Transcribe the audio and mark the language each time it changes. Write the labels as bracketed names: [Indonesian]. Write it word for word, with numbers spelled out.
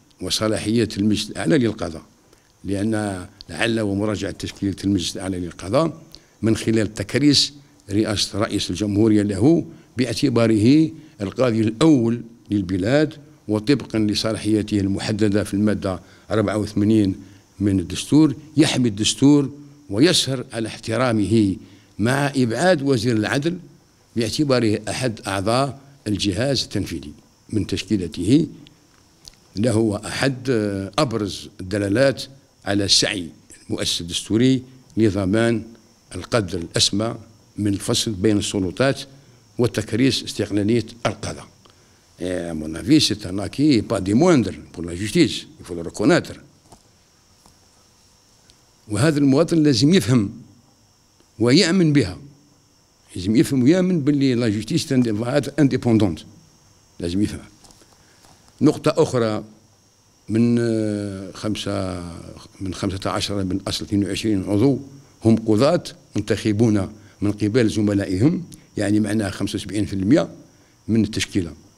[Arabic] وصلاحية المجلس الأعلى للقضاء، لأن لعل ومراجعة تشكيلة المجلس الأعلى للقضاء من خلال تكريس رئاسة رئيس الجمهورية له باعتباره القاضي الأول للبلاد، وطبقا لصلاحيته المحددة في المادة أربعة وثمانين من الدستور، يحمي الدستور ويسهر على احترامه، مع إبعاد وزير العدل باعتباره أحد أعضاء الجهاز التنفيذي من تشكيلته. له أحد أبرز الدلالات على السعي المؤسس الدستوري لضمان القدر الأسمى من الفصل بين السلطات وتكريس استقلالية القضاء. [French] Et à mon avis, c'est un acquis, pas des moindres, pour la justice. Il faut le reconnaître. [Arabic] وهذا المواطن لازم يفهم ويأمن بها، لازم يفهم ويأمن باللي [French] لا جوستيس انديبوندونت، [Arabic] لازم يفهم. نقطة أخرى من خمسة من خمسة عشر من أصل اثنين وعشرين عضو هم قضاة منتخبون من قبل زملائهم، يعني معناها خمسة وسبعين بالمئة من التشكيلة.